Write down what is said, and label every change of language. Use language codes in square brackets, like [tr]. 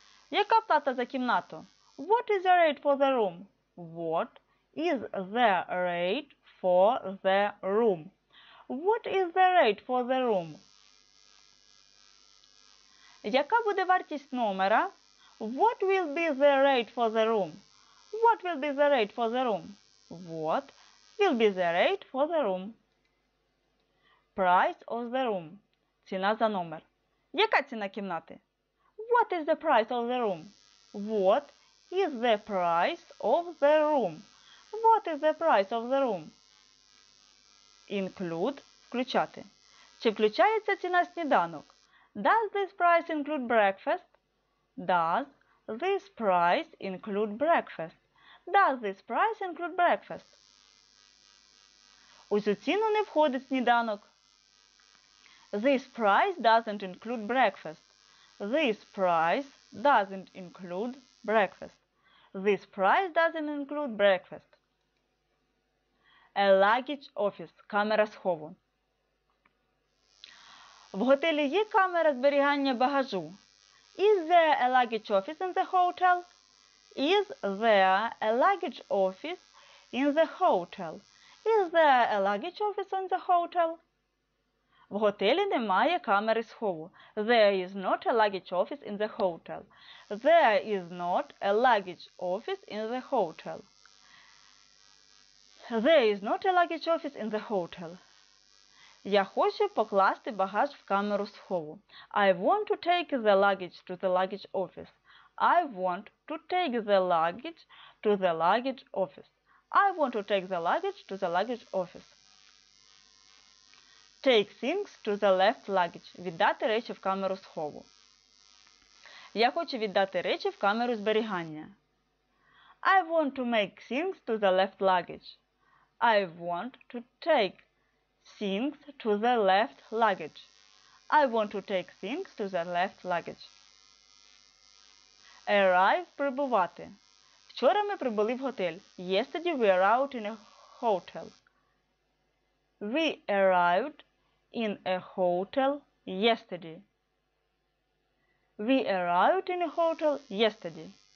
[uk] Яка плата за кімнату? [en] What is the rate for the room? What is the rate for the room? What is the rate for the room? [uk] Яка буде вартість номера? [en] What will be the rate for the room? What will be the rate for the room? What will be the rate for the room? Price of the room. [uk] Ціна за номер. Яка ціна кімнати? [en] What is the price of the room? What is the price of the room? What is the price of the room? Include – включати. [uk] Чи включається ціна сніданок? [en] Does this price include breakfast? Does this price include breakfast? Does this price include breakfast? [uk] У цю ціну не входить сніданок. [en] This price doesn't include breakfast. This price doesn't include breakfast. This price doesn't include breakfast. A luggage office – камера схову. [uk] В готелі є камера зберігання багажу. [en] Is there a luggage office in the hotel? Is there a luggage office in the hotel? Is there a luggage office in the hotel? [uk] В готелі немає камери схову. [en] There is not a luggage office in the hotel. There is not a luggage office in the hotel. There is not a luggage office in the hotel. [uk] Я хочу покласти багаж в камеру схову. [en] I want to take the luggage to the luggage office. I want to take the luggage to the luggage office. I want to take the luggage to the luggage office. Take things to the left luggage. [uk] Віддати речі в камеру схову. Я хочу віддати речі в камеру зберігання. [en] I want to make things to the left luggage. I want to take things to the left luggage. I want to take things to the left luggage. Arrive – прибувати. [uk] Вчора ми прибули в готель. [en] Yesterday we arrived in a hotel. We arrived in a hotel yesterday. We arrived in a hotel yesterday.